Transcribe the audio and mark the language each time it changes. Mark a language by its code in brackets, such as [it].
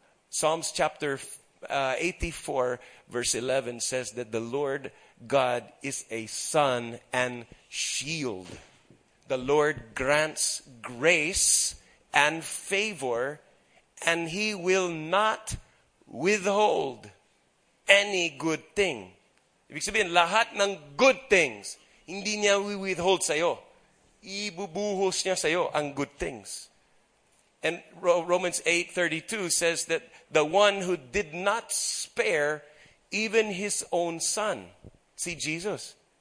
[en] Psalms chapter 84 verse 11 says that the Lord God is a sun and shield. The Lord grants grace and favor, and He will not withhold any good thing. [tl] Ibig sabihin, lahat ng good things, hindi niya i-withhold sa'yo. Ibubuhos niya sa'yo ang good things. [en] And Romans 8:32 says that the one who did not spare even His own Son, see Jesus.